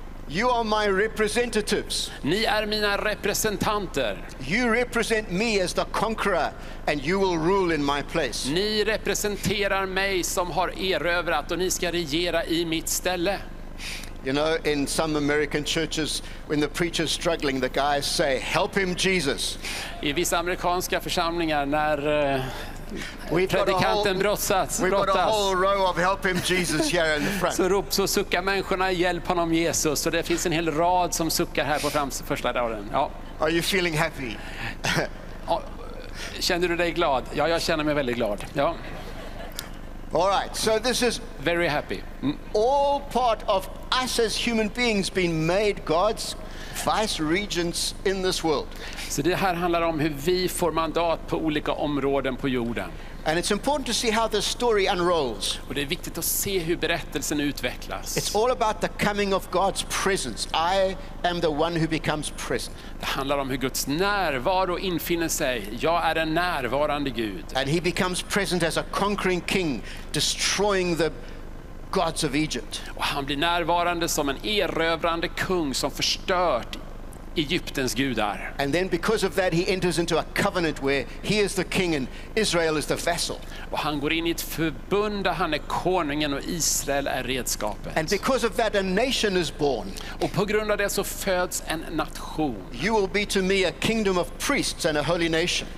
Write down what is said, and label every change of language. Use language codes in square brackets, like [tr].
[en] You are my representatives. [sv] Ni är mina representanter. [en] You represent me as the conqueror and you will rule in my place. [sv] Ni representerar mig som har erövrat och ni ska regera I mitt ställe. [en] You know, in some American churches, when the preacher's struggling, the guys say, "Help him, Jesus." [sv] I vissa amerikanska församlingar när predikanten brottas. [en] We've got a whole row of "Help him, Jesus" here in the front. [sv] Så rop så suckar människorna hjälp honom Jesus. Så det finns en hel rad som suckar här på första raden. Ja. [en] Are you feeling happy? [sv] Känner du dig glad? Ja, jag känner mig väldigt glad. Ja. [en] All right. So this is very happy. All part of us as human beings being made God's vice regents in this world. [sv] Så det här handlar om hur vi får mandat på olika områden på jorden. [en] And it's important to see how the story unrolls. [sv] Och det är viktigt att se hur berättelsen utvecklas. [en] It's all about the coming of God's presence. I am the one who becomes present. [sv] Det handlar om hur Guds närvaro infinner sig. Jag är en närvarande Gud. [en] And he becomes present as a conquering king, destroying the gods of Egypt. [sv] Och han blir närvarande som en erövrande kung som förstört Egyptens gudar. [en] And then because of that he enters into a covenant where he is the king and Israel is the vessel. [sv] Och han går in i ett förbund där han är konungen och Israel är redskapet. [en] And because of that a nation is born. [sv] Och på grund av det så föds en nation. [en] You will be to me a kingdom of priests and a holy nation.